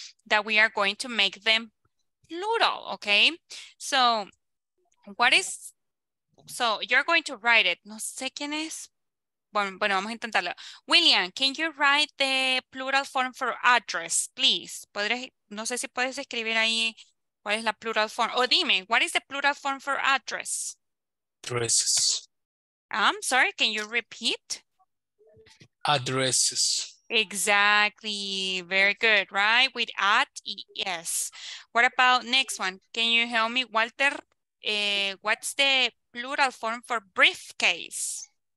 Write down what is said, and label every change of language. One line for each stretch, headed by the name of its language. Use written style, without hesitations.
English: That we are going to make them plural, okay? So, what is... So you're going to write it.
Spanish: No sé quién es. Bueno, vamos a intentarlo.
English: William, can you write the plural form for address, please?
Spanish: No sé si puedes escribir ahí cuál es la plural form. O dime,
English: what is the plural form for address? Addresses. I'm sorry, can you repeat? Addresses. Exactly. Very good, right? With at, yes. What about next one? Can you help me, Walter? What's the plural form for briefcase?